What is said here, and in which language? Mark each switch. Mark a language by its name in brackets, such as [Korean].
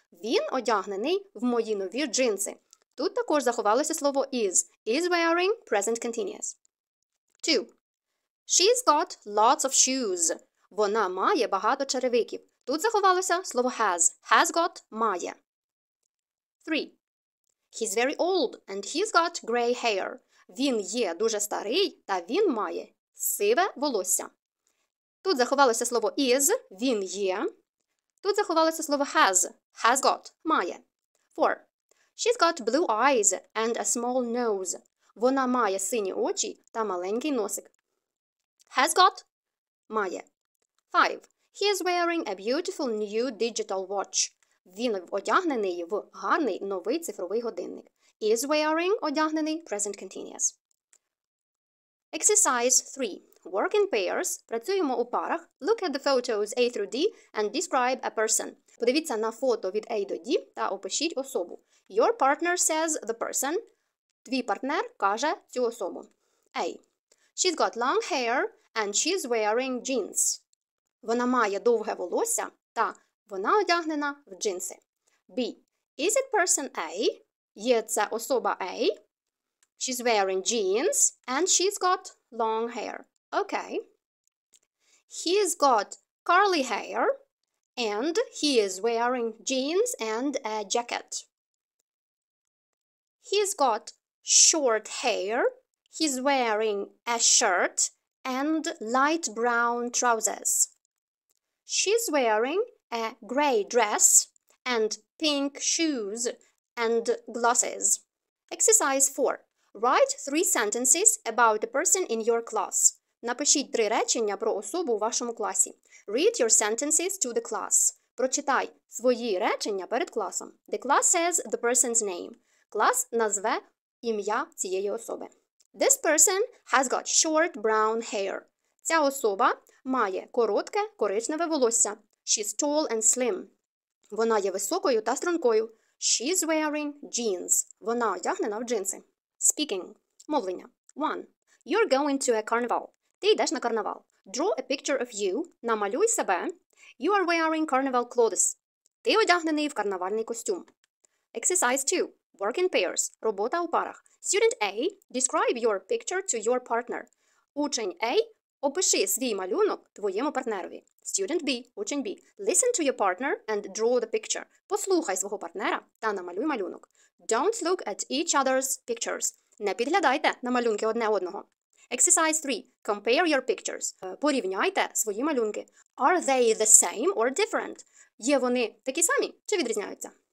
[Ukrainian] Він одягнений в мої нові джинси. Тут також заховалося слово «is». [English] Is wearing present continuous. 2. She's got lots of shoes. [Ukrainian] Вона має багато черевиків. Тут заховалося слово has. [English] Has got – має. 3. He's very old and he's got gray hair. [Ukrainian] Він є дуже старий та він має сиве волосся. Тут заховалося слово is – він є. Тут заховалося слово has – [English] has got [Ukrainian] – має. [English] 4. She's got blue eyes and a small nose. [Ukrainian] Вона має сині очі та маленький носик. [English] Has got [Ukrainian] – має. [English] 5. He is wearing a beautiful new digital watch. [Ukrainian] Він одягнений в гарний новий цифровий годинник. [English] Is wearing – одягнений, present continuous. Exercise 3. Work in pairs. [Ukrainian] Працюємо у парах. [English] Look at the photos A through D and describe a person. [Ukrainian] Подивіться на фото від A до D та опишіть особу. [English] Your partner says the person. [Ukrainian] Твій партнер каже цю особу. [English] A. She's got long hair and she's wearing jeans. [Ukrainian] Вона має довге волосся та вона одягнена в джинси. [English] B. Is it person A? [Ukrainian] Є це особа A? [English] She's wearing jeans and she's got long hair. Okay. He's got curly hair and he is wearing jeans and a jacket. He's got short hair. He's wearing a shirt and light brown trousers. She's wearing a gray dress and pink shoes and glasses. Exercise 4. Write three sentences about a person in your class. [Ukrainian] Напишіть три речення про особу у вашому класі. [English] Read your sentences to the class. [Ukrainian] Прочитай свої речення перед класом. [English] The class says the person's name. [Ukrainian] Клас назве ім'я цієї особи. [English] This person has got short brown hair. [Ukrainian] Ця особа має коротке коричневе волосся. [English] She's tall and slim. [Ukrainian] Вона є високою та стрункою. [English] She's wearing jeans. [Ukrainian] Вона одягнена в джинси. [English] Speaking. [Ukrainian] Мовлення. [English] 1. You're going to a carnival. [Ukrainian] Ти йдеш на карнавал. [English] Draw a picture of you. [Ukrainian] Намалюй себе. [English] You are wearing carnival clothes. [Ukrainian] Ти одягнений в карнавальний костюм. [English] Exercise 2. Work in pairs. [Ukrainian] Робота у парах. [English] Student A. Describe your picture to your partner. [Ukrainian] Учень A. Опиши свій малюнок твоєму партнерові. [English] Student B. [Ukrainian] Учень B. [English] Listen to your partner and draw the picture. [Ukrainian] Послухай свого партнера та намалюй малюнок. [English] Don't look at each other's pictures. [Ukrainian] Не підглядайте на малюнки одне одного. [English] Exercise 3. Compare your pictures. [Ukrainian] Порівняйте свої малюнки. [English] Are they the same or different? [Ukrainian] Є вони такі самі чи відрізняються?